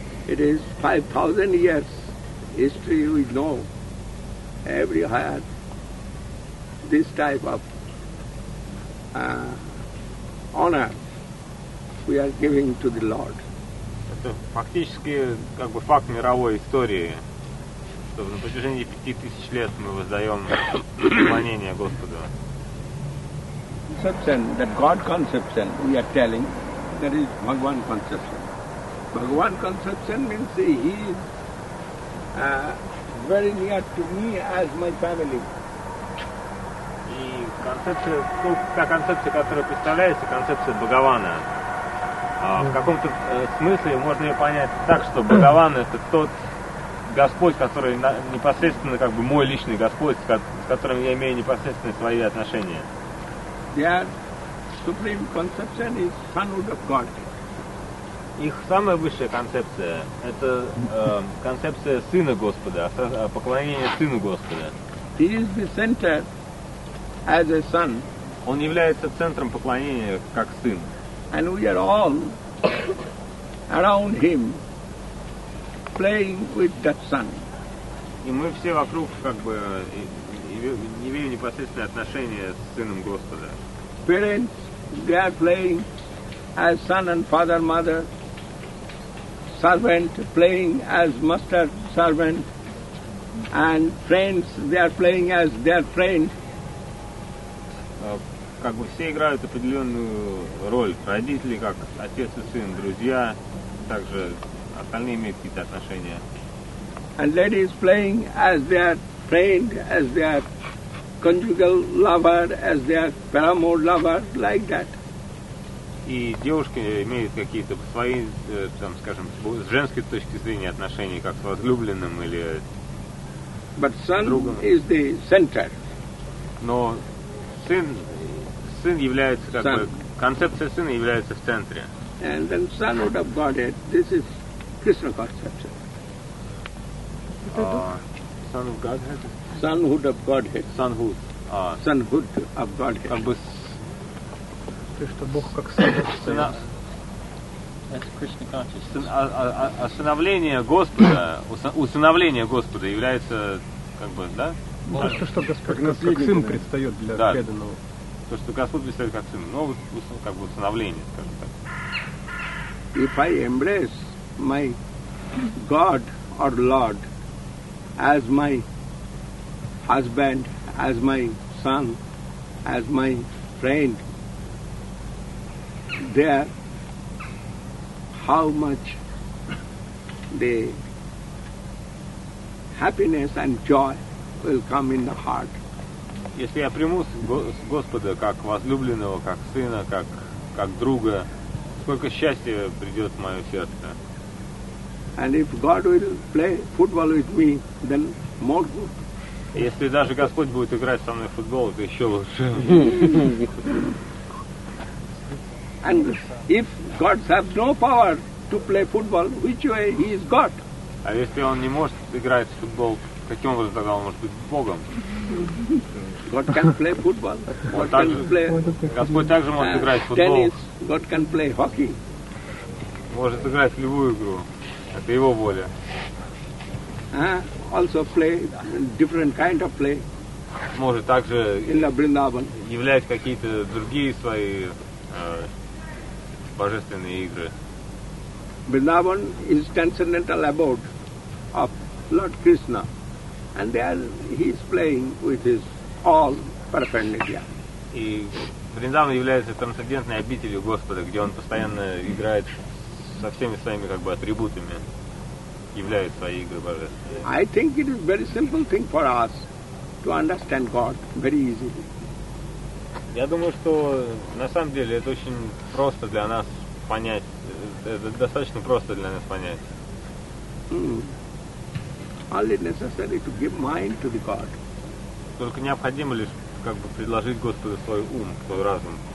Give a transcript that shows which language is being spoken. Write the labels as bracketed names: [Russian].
[English] It is 5,000 years history we know. Every heart, this type of honor we are giving to the Lord. [Russian] Это фактически как бы факт мировой истории, что на протяжении 5000 лет мы воздаем поклонение Господу. [English] Conception, that God conception, we are telling, that is Bhagavan conception. Bhagavan conception means he is very near to me as my family. [Russian] И концепция, ну, та концепция, которая представляется, концепция Бхагавана, в каком-то смысле можно ее понять так, что Бхагаван это тот Господь, который непосредственно как бы мой личный Господь, с которым я имею непосредственные свои отношения. [English] Their supreme conception is sonhood of God. [Russian] Их самая высшая концепция – это концепция Сына Господа, поклонение Сыну Господа. [English] He is the center as a son. [Russian] Он является центром поклонения как Сын. [English] And we are all around him, playing with that son. [Russian] И мы все вокруг как бы имеем непосредственное отношение с Сыном Господа. [English] Parents, they are playing as son and father, mother. Servant playing as master, servant. And friends, they are playing as their friend. [Russian] Как бы все играют определенную роль. Родители как отец и сын, друзья, также остальные имеют какие-то отношения. [English] And ladies playing as their friend, as their conjugal lover, as their paramour lover, like that. [Russian] И девушки имеют какие-то свои, там, скажем, с женской точки зрения отношения, как с возлюбленным или [English] But son [Russian] другом. [English] Is the center. [Russian] Но сын является как [English] son. [Russian] Бы концепция сына является в центре. [English] And then son would have got it. This is Krishna conception. Son of Godhead. Sonhood of Godhead. Sonhood. Sonhood of Godhead. [Russian] Как бы То, что Бог как сын. [English] That's Krishna consciousness. [Russian] Усыновление Господа, усыновление Господа является как бы, да? Well, то, что Господь как сын предстает для да. преданного. То, что Господь предстает как сын. Ну, как бы усыновление, скажем так. [English] If I embrace my God or Lord as my husband, as my son, as my friend, there how much the happiness and joy will come in the heart. [Russian] Если я приму Господа как возлюбленного, как сына, как друга, сколько счастья придет в мое сердце. [English] And if God will play football with me, then more good. [Russian] Если даже Господь будет играть со мной в футбол, это еще лучше. [English] And if God has no power to play football, which way he is God? [Russian] А если он не может играть в футбол, каким образом тогда он может быть Богом? [English] God can play football. God can play. [Russian] Господь также может играть в футбол. [English] Tennis. God can play hockey. [Russian] Может играть в любую игру. Это его воля. [English] Also play different kind of play. [Russian] Может также являть какие-то другие свои божественные игры. [English] Vrindavan is transcendental abode of Lord Krishna, and there he is playing with his all perfect nitya. [Russian] И Вриндаван является трансцендентной обителью Господа, где он постоянно играет со всеми своими как бы атрибутами. Являет свои игры божественные. [English] I think it is very simple thing for us to understand God very easily. [Russian] Я думаю, что на самом деле это очень просто для нас понять. Это достаточно просто для нас понять. [English] Only necessary to give mind to the God. [Russian] Только необходимо лишь как бы предложить Господу свой ум, свой разум.